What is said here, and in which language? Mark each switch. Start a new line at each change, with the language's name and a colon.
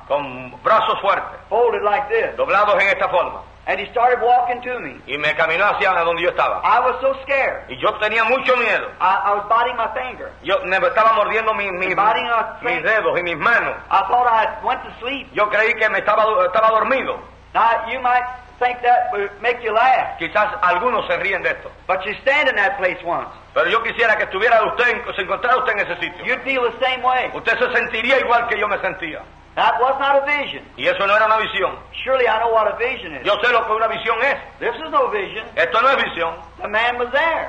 Spanish: Con brazos fuertes.
English: Folded like this.
Spanish: Doblados en esta forma.
English: And he started walking to me.
Spanish: Y me caminó hacia donde yo estaba.
English: I was so scared.
Spanish: Y yo tenía mucho miedo.
English: I was biting my finger.
Spanish: Yo me estaba mordiendo mis dedos y mis manos.
English: I thought I went to sleep.
Spanish: Yo creí que me estaba dormido.
English: Now you might think that would make you laugh.
Spanish: Quizás algunos se ríen de esto.
English: But you stand in that place once.
Spanish: Pero yo quisiera que estuviera usted, se encontrara usted en ese sitio.
English: You'd feel the same way.
Spanish: Usted se sentiría igual que yo me sentía.
English: That was not a vision.
Spanish: Y eso no era una visión.
English: Surely I know what a vision is.
Spanish: Yo sé lo que una visión es.
English: This is no vision.
Spanish: Esto no es visión.
English: The man was there.